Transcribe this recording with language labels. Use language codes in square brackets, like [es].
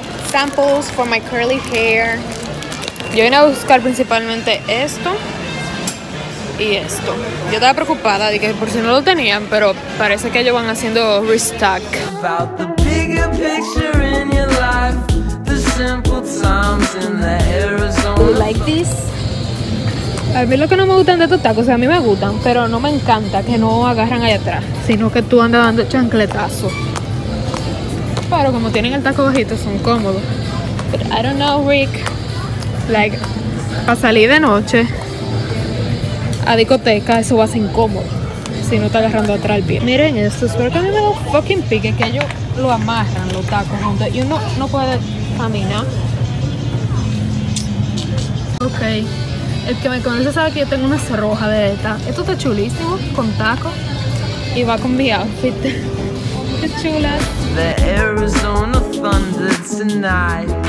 [en] Samples for my curly hair. [es] Yo vine a buscar principalmente esto y esto. Yo estaba preocupada de que por si no lo tenían, pero parece que ellos van haciendo restock. [en] About the bigger picture in your life. The simple times in the Arizona. You like this? [es] A mí lo que no me gustan de estos tacos, o sea, a mí me gustan, pero no me encanta que no agarran allá atrás, sino que tú andas dando chancletazo. Pero como tienen el taco bajito, son cómodos. [en] But I don't know, Rick. [es] Like, para salir de noche a discoteca, eso va a ser incómodo si no está agarrando atrás el pie. Miren esto, espero que a mí me da un fucking pique que ellos lo amarran, los tacos, junto. Y uno no puede caminar. Ok. El que me conoce sabe que yo tengo una cerroja de esta. Esto está chulísimo, con taco. Y va con mi outfit. Qué chula. [en] The Arizona thunder tonight.